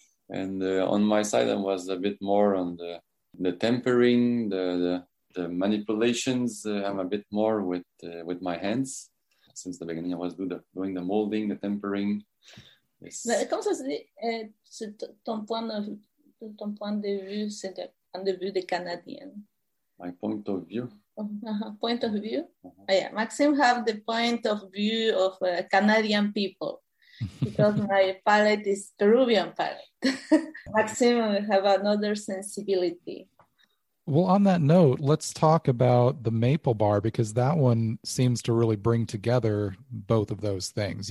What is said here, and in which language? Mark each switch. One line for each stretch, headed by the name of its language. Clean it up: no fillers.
English: And on my side, I was a bit more on the tempering, the manipulations. I'm a bit more with my hands. Since the beginning, I was doing the molding, the tempering. Yes.
French: Mais comme ça, c'est ton point de vue, c'est le point de vue des Canadiens.
English: My point of view. Point of view. Uh-huh. Oh, yeah. Maxime have the point of view of Canadian people. Because my palate is Peruvian palate. Maxime have another sensibility. Well, on that note, let's talk about the maple bar, because that one seems to really bring together both of those things.